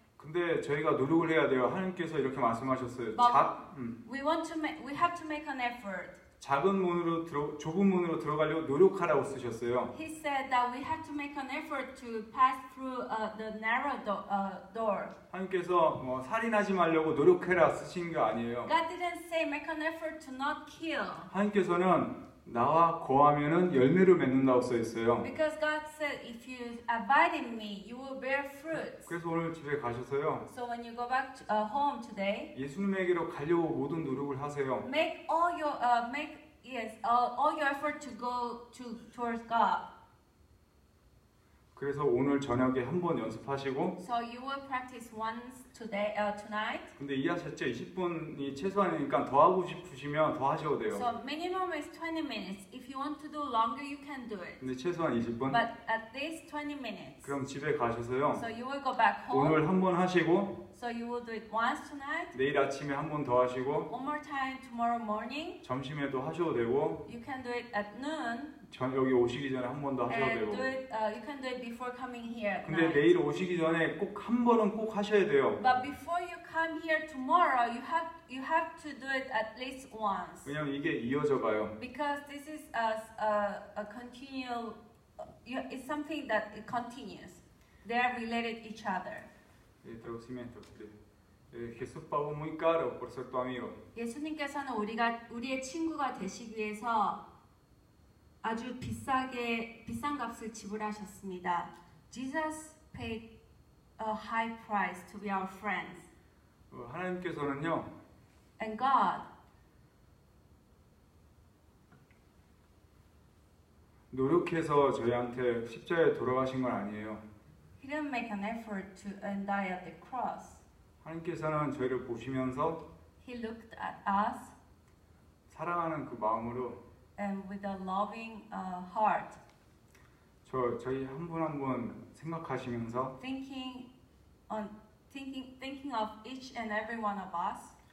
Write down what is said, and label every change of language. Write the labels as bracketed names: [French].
[Korean] 근데 저희가 노력을 해야 돼요. 하나님께서 이렇게 말씀하셨어요. [English] We have to make an effort. [Korean] 작은 문으로 좁은 문으로 들어가려고 노력하라고 쓰셨어요. [English] He said that we have to make an effort to pass through the narrow door. [Korean] 하나님께서 살인하지 말려고 노력해라 쓰신 게 아니에요. [English] God didn't say make an effort to not kill. [Korean] 하나님께서는 나와 거하면은 열매를 맺는다고 써 있어요. [English] Because God said if you abide in me, you will bear fruit. [Korean] 그래서 오늘 집에 가셔서요. [English] So when you go back to, home today, [Korean] 예수님에게로 가려고 모든 노력을 하세요. [English] Make all your all your effort to go to towards God. [Korean] 그래서 오늘 저녁에 한번 연습하시고 [English] So you will practice once today tonight. [Korean] 근데 이하셨죠? 20분이 최소한이니까 더 하고 싶으시면 더 하셔도 돼요. [English] So minimum is 20 minutes. If you want to do longer, you can do it. [Korean] 근데 최소한 20분. [English] But at least 20 minutes. [Korean] 그럼 집에 가셔서요. [English] So you will go back home. [Korean] 오늘 한번 하시고 [English] So you will do it once tonight. [Korean] 내일 아침에 한번 더 하시고 [English] One more time tomorrow morning. [Korean] 점심에도 하셔도 되고 [English] You can do it at noon. [Korean] 여기 오시기 전에 한 번 더 하셔도 되고 [English] you can do it before coming here. [Korean] 근데 내일 오시기 전에 꼭 한 번은 꼭 하셔야 돼요. [English] But before you come here tomorrow, you have to do it at least once. [Korean] 왜냐면 이게 이어져 가요. [English] Because this is a continual it's something that it continues. They are related each other. [Korean] 예, 들어오시면 [Spanish] Jesús pagó muy caro por ser tu amigo. [Korean] 예수님께서는 우리의 친구가 되시기 위해서 아주 비싼 값을 지불하셨습니다. [English] Jesus paid a high price to be our friends. [Korean] 하나님께서는요. [English] And God. [Korean] 노력해서 저희한테 십자에 돌아가신 건 아니에요. [English] He didn't make an effort to die at the cross. [Korean] 하나님께서는 저희를 보시면서 [English] He looked at us. [Korean] 사랑하는 그 마음으로 [English] And with a loving heart. [Korean] 저희 한 분 한 분 생각하시면서 [English] thinking of each and every one of us.